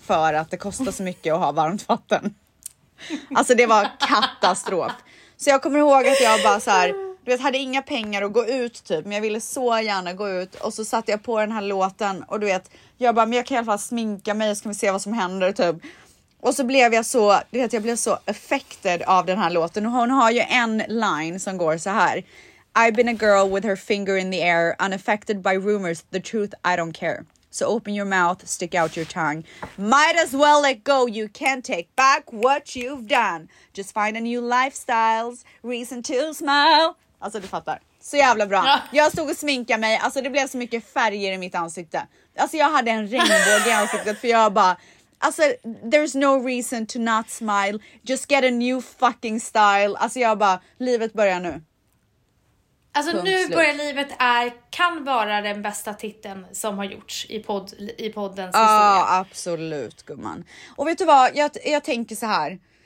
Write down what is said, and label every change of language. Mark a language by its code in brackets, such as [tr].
[sv] För att det kostar så mycket att ha varmt vatten. Alltså det var katastrof. Så jag kommer ihåg att jag bara så här, du vet, hade inga pengar att gå ut typ. Men jag ville så gärna gå ut. Och så satte jag på den här låten. Och du vet, jag bara, men jag kan i alla fall sminka mig. Så kan vi se vad som händer typ. Och så blev jag så, du vet, jag blev så affected av den här låten. Hon har ju en line som går så här: [en] I've been a girl with her finger in the air, unaffected by rumors, the truth I don't care. So open your mouth, stick out your tongue. Might as well let go, you can't take back what you've done. Just find a new lifestyle, reason to smile. [sv] Alltså du fattar, så jävla bra. Jag stod och sminkade mig, alltså det blev så mycket färger i mitt ansikte. Alltså jag hade en regnbåge i ansiktet för jag bara... [en] Alltså, there's no reason to not smile. Just get a new fucking style. [sv] Alltså, jag bara, livet börjar nu. Alltså, punkt, nu slut. Börjar livet är, kan vara den bästa titeln som har gjorts i poddens historia. Ja, absolut, gumman. Och vet du vad, jag tänker så här.